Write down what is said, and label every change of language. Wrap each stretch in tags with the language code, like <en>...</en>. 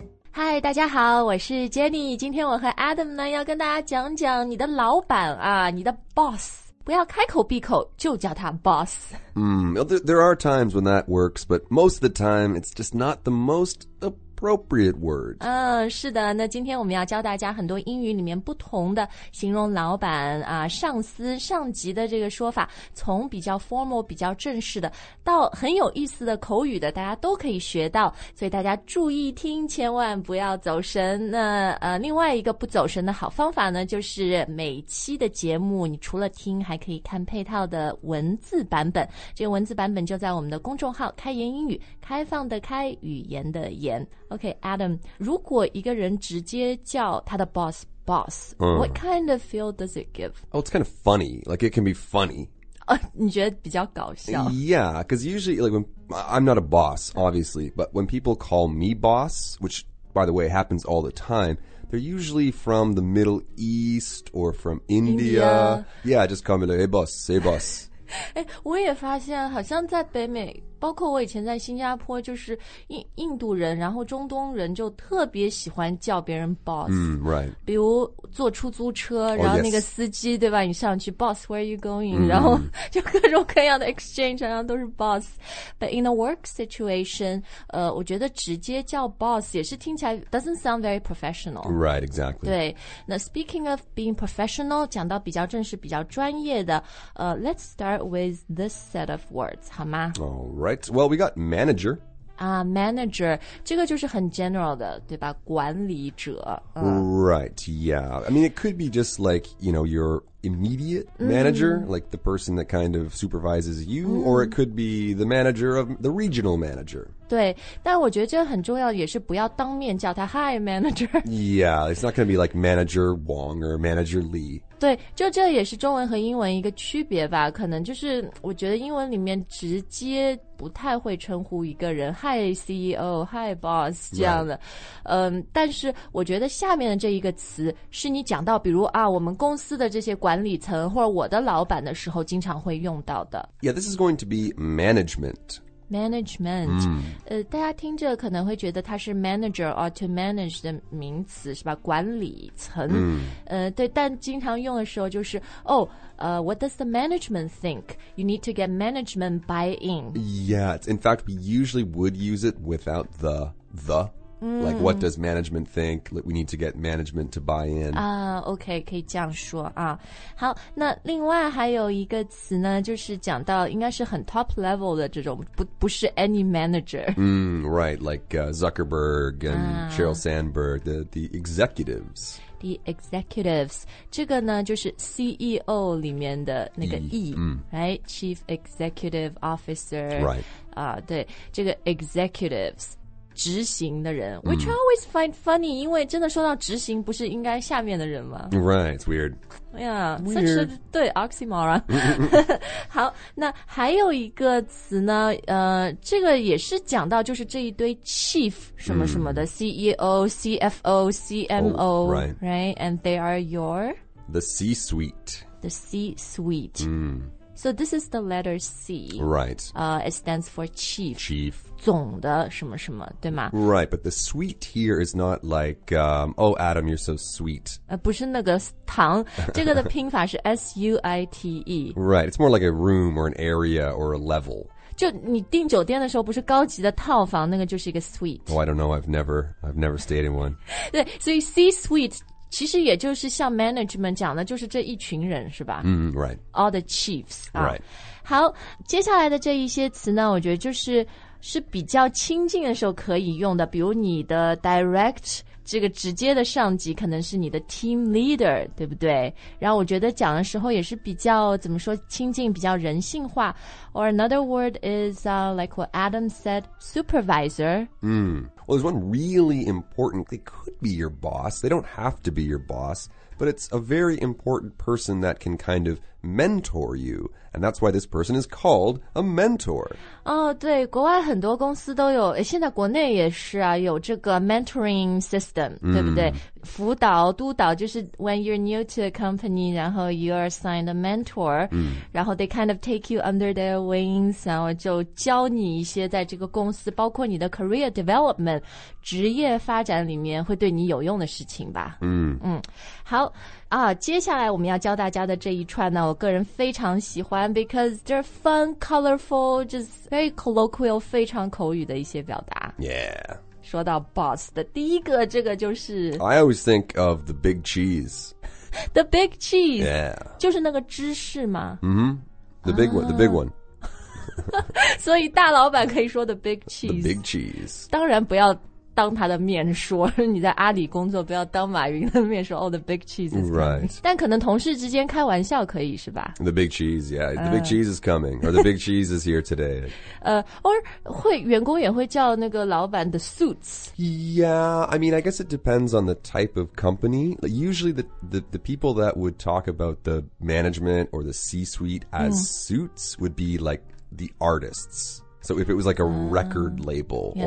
<zh>嗨，大家好，我是 Jenny。今天我和 Adam 呢要跟大家讲讲你的老板啊，你的 boss，不要开口闭口就叫他 boss。</zh> <en>There are times when that works, but most of the time it's just not the most appropriate word.</en> <zh>是的，那今天我们要教大家很多英语里面不同的形容老板啊、上司、上级的这个说法，从比较 formal、比较正式的，到很有意思的口语的，大家都可以学到。所以大家注意听，千万不要走神。那另外一个不走神的好方法呢，就是每期的节目，你除了听，还可以看配套的文字版本。这个文字版本就在我们的公众号"开言英语"，开放的开，语言的言。</zh> <en>OK, Adam,</en> <zh>如果一个人直接叫他的</zh> <en>boss, boss, what kind of feel does it give? Oh, it's kind of funny. Like, it can be funny.</en> <zh>你觉得比较搞笑?</zh> <en>Yeah, because usually, like, when, I'm not a boss, obviously, but when people call me boss, which, by the way, happens all the time, they're usually from the Middle East or from India. Yeah, just call me like, hey, boss.</en> <zh>我也发现好像在北美包括我以前在新加坡就是 印度人然后中东人就特别喜欢叫别人 boss、</zh> <en>right.</en> <zh>比如坐出租车然后那个司机、</zh> <en>oh, yes.</en> <zh>对吧你上去 boss</zh> <en>where are you going、</en> <zh>然后就各种各样的 exchange 然后都是 boss</zh> <en>but in a work situation、</en> <zh>我觉得直接叫 boss 也是听起来</zh> <en>doesn't sound very professional right exactly</en> <zh>对那</zh> <en>speaking of being professional</en> <zh>讲到比较正式比较专业的、</zh> <en>let's start with this set of words</en> <zh>好吗</zh> <en>Alright, well, we got manager.</en> <zh>Manager, 这个就是很 general 的,对吧? 管理者。</zh> <en>Right, yeah. I mean, it could be just like, you know, your immediate manager,、like the person that kind of supervises you,、or it could be the manager of the regional manager.</en> <zh>对,但我觉得这个很重要也是不要当面叫他</zh> <en>Hi, manager. Yeah, it's not going to be like manager Wong or manager Lee.</en> <zh>对，就这也是中文和英文一个区别吧，可能就是我觉得英文里面直接不太会称呼一个人</zh> <en>Hi CEO, Hi Boss</en> <zh>这样的、但是我觉得下面的这一个词是你讲到比如啊，我们公司的这些管理层或者我的老板的时候经常会用到的</zh> <en>Yeah, this is going to be management</en> <zh>Management,、大家听着可能会觉得它是</zh> <en>manager or to manage</en> <zh>的名词是吧？管理层、对，但经常用的时候就是</zh> <en>what does the management think? You need to get management buy-in. Yeah, in fact, we usually would use it without the. Like, what does management think? We need to get management to buy in.</en> <zh>OK, 可以这样说啊。好，那另外还有一个词呢，就是讲到应该是很 top level 的这种，不是 any manager.</zh> <en>Right, like Zuckerberg and Sheryl Sandberg, the executives.</en> <zh>The executives, 这个呢就是 CEO 里面的那个 E, right?</zh> <en>Chief Executive Officer. Right.</en> <zh>对，这个 executives. 执行的人</zh> <en>which I always find funny</en> <zh>因为真的说到执行不是应该下面的人吗</zh> <en>Right, it's weird Yeah, weird.</en> <zh>算是对 oxymoron 好那还有一个词呢这个也是讲到就是这一堆 chief 什么什么的 CEO, CFO, CMO、right?</zh> <en>And they are your The C-suite The C-suite、So this is the letter C. Right. It stands for chief. Chief.</en> <zh>总的什么什么，对吗？</zh> <en>Right, but the sweet here is not like, oh, Adam, you're so sweet.</en> <zh>不是那个糖，这个的拼法是 S-U-I-T-E.</zh> <en>Right, it's more like a room or an area or a level.</en> <zh>就你订酒店的时候不是高级的套房，那个就是一个 suite.</zh> <en>Oh, I don't know, I've never stayed in one.</en> <zh>对，所以 C-suite... 其实也就是像 management 讲的就是这一群人是吧、</zh> <en>right. All the chiefs、 right.</en> <zh>好接下来的这一些词呢我觉得就是比较亲近的时候可以用的比如你的 direct 这个直接的上级可能是你的 team leader 对不对然后我觉得讲的时候也是比较怎么说亲近比较人性化</zh> <en>or another word is、 like what Adam said supervisor、 Well, there's one really important, they could be your boss, they don't have to be your boss, but it's a very important person that can kind of mentor you. And that's why this person is called a mentor.</en> <zh>哦、oh, 对国外很多公司都有现在国内也是啊有这个 mentoring system,、mm. 对不对辅导督导就是</zh> <en>when you're new to a company,</en> <zh>然后</zh> <en>you're assigned a mentor,、mm.</en> <zh>然后</zh> <en>they kind of take you under their wings,</en> <zh>然后就教你一些在这个公司包括你的 career development, 职业发展里面会对你有用的事情吧。嗯、 mm. 嗯。好啊接下来我们要教大家的这一串呢我个人非常喜欢</zh> <en>because they're fun, colorful, just very colloquial,</en> <zh>非常口语的一些表达。</zh> <en>Yeah.</en> <zh>说到 boss 的第一个这个就是</zh> <en>I always think of the big cheese. The big cheese. Yeah.</en> <zh>就是那个芝士吗</zh> <en>Mm-hmm. The big one, the big one.</en> <zh>所以大老板可以说 the big cheese.</zh> <en>The big cheese.</en> <zh>当然不要当他的面说你在阿里工作不要当马云的面说</zh> <en>Oh, the big cheese is coming. Right.</en> <zh>但可能同事之间开玩笑可以是吧</zh> <en>The big cheese, yeah. The big cheese is coming. Or the big cheese is here today.</en> <zh>Or 会员工也会叫那个老板 the suits.</zh> <en>Yeah, I mean, I guess it depends on the type of company. Usually the people that would talk about the management or the C-suite as suits would be like the artists. So if it was like a record label yeah.</en>